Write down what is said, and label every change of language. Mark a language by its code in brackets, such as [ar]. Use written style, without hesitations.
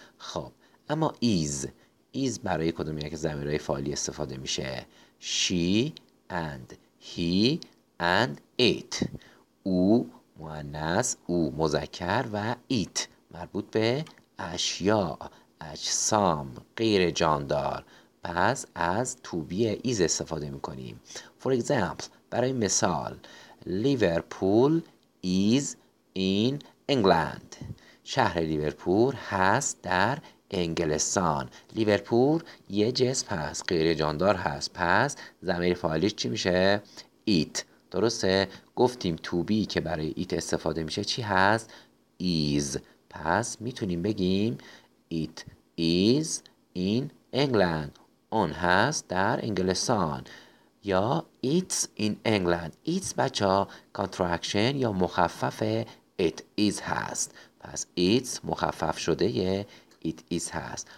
[fa] خب اما is برای کدوم یک ضمیرهای فاعلی استفاده میشه؟ [en] she and he and it. [fa] او مؤنث، او مذکر و it مربوط به اشیاء، اجسام، غیر جاندار. پس از to be is استفاده میکنیم. [en] For example، [fa] برای مثال [en] Liverpool is in England. [fa] شهر لیورپول هست در انگلستان. لیورپول یه جسم هست، غیر جاندار هست، پس ضمیر فاعلیش چی میشه؟ it. درسته؟ گفتیم to be که برای it استفاده میشه چی هست؟ is. پس میتونیم بگیم [en] it is in England. [fa] اون هست در انگلستان. [en] یا it's in England. [fa] it's بچه ها contraction یا مخفف it is هست. پس it's مخفف شده it is هست.